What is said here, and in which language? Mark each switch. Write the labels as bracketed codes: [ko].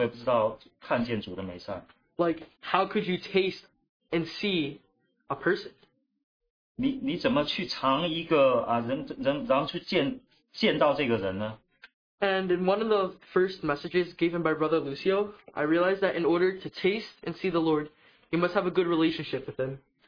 [zh] 当我第一次来到，就是这个聚会，我不知道什么叫做尝尝主恩的滋味，不知道看见主的美善。Like, [en] how could you taste and see a person? [zh] 你怎么去尝一个人，然后去见到这个人呢？ [en] And in one of the first messages given by Brother Lucio, I realized that in order to taste and see the Lord, you must have a good relationship with him.